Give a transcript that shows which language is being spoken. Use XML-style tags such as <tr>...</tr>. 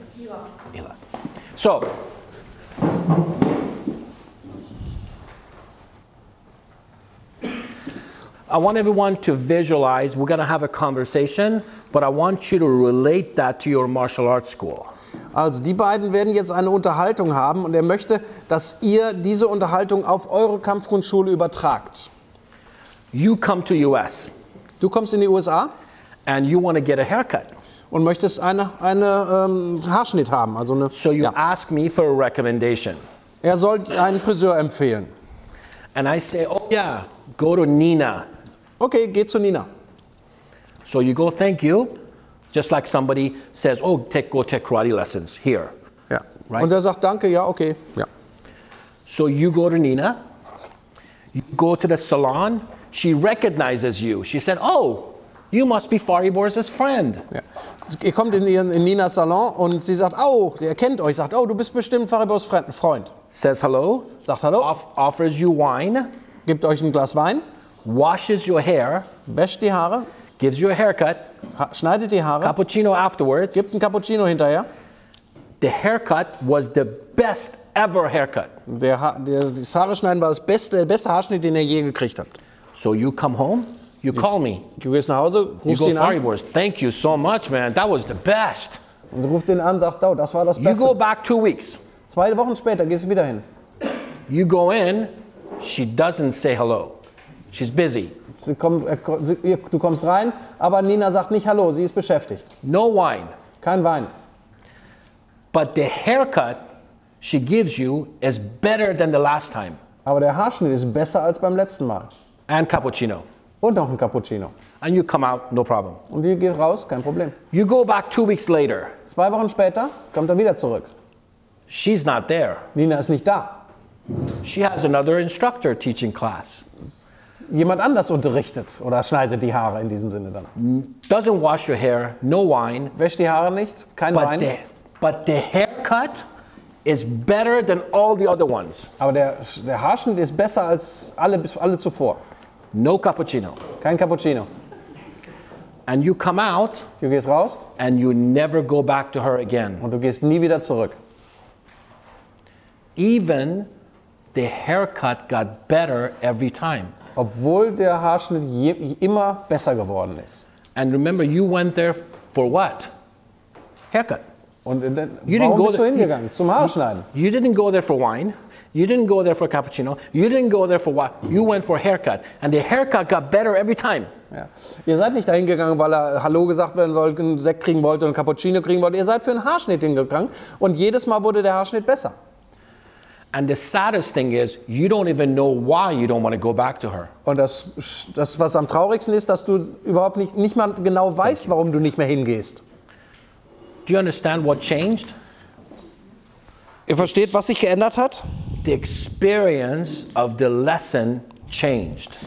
<en>Ila. So, I want everyone to visualize, we're going to have a conversation, but I want you to relate that to your martial arts school.</en> <de>Also, die beiden werden jetzt eine Unterhaltung haben und er möchte, dass ihr diese Unterhaltung auf eure Kampfgrundschule übertragt.</de> <en>You come to US.</en> <de>Du kommst in die USA.</de> <en>And you want to get a haircut.</en> <de>Und möchtest einen Haarschnitt haben. Also eine,</de> <en>so you ask me for a recommendation.</en> <de>Er soll einen Friseur empfehlen.</de> <en>And I say, oh yeah, go to Nina.</en> <de>Okay, geh zu Nina.</de> <en>So you go, thank you. Just like somebody says, oh, go take karate lessons here.</en> <de>Ja.</de> <en>Right?</en> <de>Und er sagt, danke, ja, okay. Ja.</de> <en>So you go to Nina, you go to the salon, she recognizes you. She said, oh, you must be Faribor's friend.</en> <de>Ja. Ihr kommt in Ninas Salon und sie sagt, oh, sie erkennt euch, sagt, oh, du bist bestimmt Faribor's Freund.</de> <en>Says hello.</en> <de>Sagt hallo.</de> <en>Offers you wine.</en> <de>Gibt euch ein Glas Wein.</de> <en>Washes your hair.</en> <de>Wäscht die Haare.</de> <en>Gives you a haircut.</en> <de>Schneidet die Haare.</de> <en>Cappuccino afterwards.</en> <de>Gibt's ein Cappuccino hinterher.</de> <en>The haircut was the best ever haircut.</en> <de>Das Haare schneiden war der beste Haarschnitt, den er je gekriegt hat.</de> <en>So you come home, you call me.</en> <de>Du gehst nach Hause, rufst ihn an.</de> <en>You go, Faribor, thank you so much, man. That was the best.</en> <de>Und ruft ihn an, sagt, oh, das war das Beste.</de> <en>You go back 2 weeks.</en> <de>2 Wochen später gehst du wieder hin.</de> <en>You go in, she doesn't say hello. She's busy.</en> <de>Du kommst rein, aber Nina sagt nicht hallo, sie ist beschäftigt.</de> <en>No wine.</en> <de>Kein Wein.</de> <en>But the haircut she gives you is better than the last time.</en> <de>Aber der Haarschnitt ist besser als beim letzten Mal.</de> <en>And cappuccino.</en> <de>Und noch ein Cappuccino.</de> <en>And you come out, no problem.</en> <de>Und ihr geht raus, kein Problem.</de> <en>You go back 2 weeks later.</en> <de>2 Wochen später kommt er wieder zurück.</de> <en>She's not there.</en> <de>Nina ist nicht da.</de> <en>She has another instructor teaching class.</en> <de>Jemand anders unterrichtet oder schneidet die Haare in diesem Sinne dann.</de> <en>Doesn't wash your hair, no wine.</en> <de>Wäscht die Haare nicht, kein Wein.</de> <en>But the haircut is better than all the other ones.</en> <de>Aber der Haarschnitt ist besser als alle zuvor.</de> <en>No cappuccino.</en> <de>Kein Cappuccino.</de> <en>And you come out.</en> <de>Du gehst raus.</de> <en>And you never go back to her again.</en> <de>Und du gehst nie wieder zurück.</de> <en>Even the haircut got better every time.</en> <de>Obwohl der Haarschnitt immer besser geworden ist.</de> <en>And remember, you went there for what? Haircut.</en> <de>Und dann,</de> <en>you didn't go</en> <de>bist du hingegangen? Zum Haarschneiden.</de> <en>You didn't go there for wine. You didn't go there for cappuccino. You didn't go there for what? You went for haircut. And the haircut got better every time.</en> <de>Ja. Ihr seid nicht dahin gegangen, weil er Hallo gesagt werden wollte, einen Sekt kriegen wollte und einen Cappuccino kriegen wollte. Ihr seid für einen Haarschnitt hingegangen. Und jedes Mal wurde der Haarschnitt besser.</de> <en>And the saddest thing is, you don't even know why you don't want to go back to her.</en> <de>Und das was am traurigsten ist, dass du überhaupt nicht mal genau weißt, warum du nicht mehr hingehst.</de> <en>Do you understand what changed?</en> <de>Ihr versteht, was sich geändert hat?</de> <en>The experience of the lesson changed.</en>